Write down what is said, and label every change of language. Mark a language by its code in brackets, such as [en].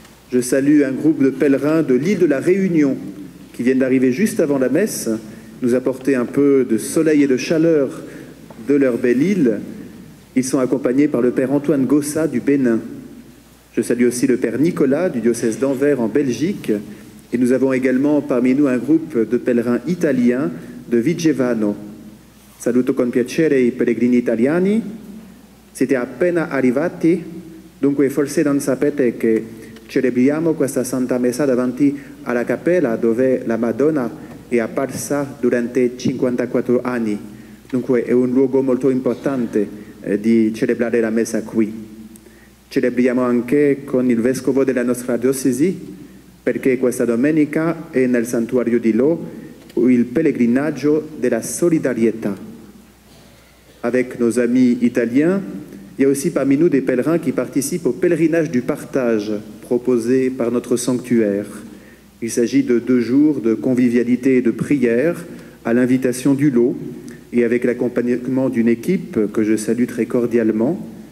[fr] Je salue un groupe de pèlerins de l'île de la Réunion qui viennent d'arriver juste avant la messe, nous apporter un peu de soleil et de chaleur de leur belle île. Ils sont accompagnés par le père Antoine Gossa du Bénin. Je salue aussi le père Nicolas du diocèse d'Anvers en Belgique. Et nous avons également parmi nous un groupe de pèlerins italiens de Vigevano. [it] Saluto con piacere i pellegrini italiani. Siete appena arrivati, dunque forse non sapete che celebriamo questa santa messa davanti alla cappella dove la Madonna è apparsa durante 54 anni. Dunque è un luogo molto importante di celebrare la messa qui. Celebriamo anche con il vescovo della nostra diocesi, perché questa domenica è nel santuario di Lo il pellegrinaggio della solidarietà. [fr] Avec nos amis italiens, il y a aussi parmi nous des pèlerins qui participent au pèlerinage du partage proposé par notre sanctuaire. Il s'agit de 2 jours de convivialité et de prière à l'invitation du lot et avec l'accompagnement d'une équipe que je salue très cordialement.